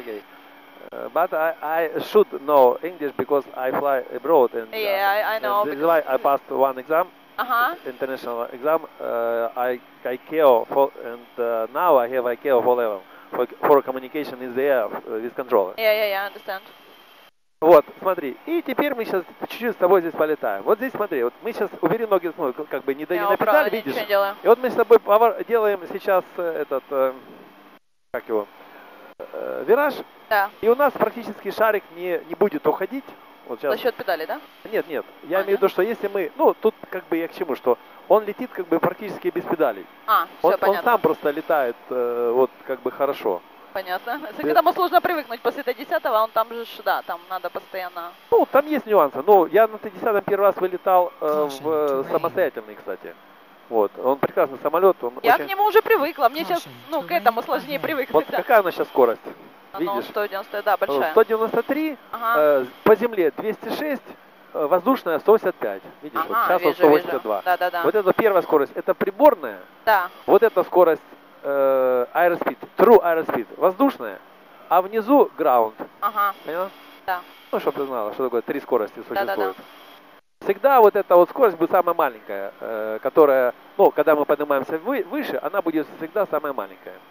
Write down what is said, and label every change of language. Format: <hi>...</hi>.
<en>Okay, but I should know English because I fly abroad and I know. This is why I passed one exam. Uh-huh. International exam. I ICAO for, and now I have ICAO for level. For communication in the air with controller. Yeah, I understand.</en> <ru>Вот, смотри, и теперь мы сейчас чуть-чуть с тобой здесь полетаем. Вот здесь смотри, вот мы сейчас убери ноги, ну, как бы не на педаль, видишь? Ничего не делаю. И вот мы с тобой делаем сейчас этот, как его, вираж. Да. И у нас практически шарик не будет уходить. Вот сейчас. За счет педали, да? Нет. Я имею в виду, что если мы, ну, тут как бы я к чему, что он летит как бы практически без педалей. А, все понятно. Он сам просто летает, вот как бы хорошо. Понятно. К этому сложно привыкнуть после 50-го, он там же, да, там надо постоянно... Ну, там есть нюансы. Ну, я на 50-м первый раз вылетал в самостоятельный, кстати. Вот, он прекрасный самолет, он Я очень... к нему уже привыкла, мне сейчас, ну, к этому сложнее привыкнуть. Вот какая у нас сейчас скорость? Видишь? 190, да, большая. 193, ага. По земле 206, воздушная 185. Видишь, ага, вот сейчас вижу, 182. Да. Вот эта первая скорость, это приборная. Да. Вот эта скорость</ru> <en>airspeed, true airspeed,</en> <ru>воздушная, а внизу</ru> <en>ground.</en> <ru>Ага. Поняла? Да. Ну, чтобы ты знала, что такое три скорости существует. Да, да, да. Всегда вот эта вот скорость будет самая маленькая, которая, ну, когда мы поднимаемся выше, она будет всегда самая маленькая.</ru>